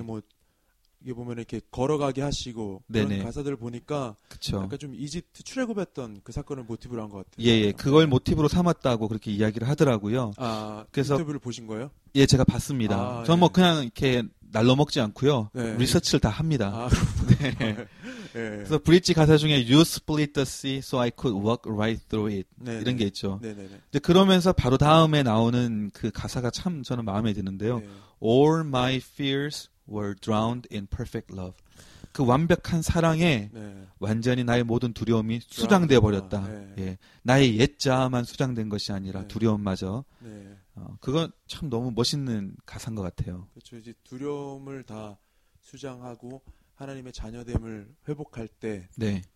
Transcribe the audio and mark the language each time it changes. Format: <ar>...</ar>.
<ko>뭐 이게 보면 이렇게 걸어가게 하시고 그런 네네. 가사들을 보니까 그쵸. 약간 좀 이집트 출애굽했던 그 사건을 모티브로 한 것 같아요. 예, 예. 그걸 모티브로 삼았다고 그렇게 이야기를 하더라고요. 아, 그래서 인터뷰를 보신 거예요? 예, 제가 봤습니다. 아, 저는 예. 뭐 그냥 이렇게 날로 먹지 않고요. 네. 리서치를 다 합니다. 아, 네. 네. 그래서 브릿지 가사 중에</ko> <en>You split the sea so I could walk right through it</en> <ko>네네. 이런 게 있죠. 네네네. 그러면서 바로 다음에 나오는 그 가사가 참 저는 마음에 드는데요. 네.</ko> <en>All my fears were drowned in perfect love.</en> <ko>그 완벽한 사랑에 네. 완전히 나의 모든 두려움이 수장되어 버렸다. 네. 예. 나의 옛 자아만 수장된 것이 아니라 네. 두려움마저. 네. 그건 참 너무 멋있는 가사인 것 같아요. 그렇죠. 이제 두려움을 다 수장하고 하나님의 자녀됨을 회복할 때 네.</ko>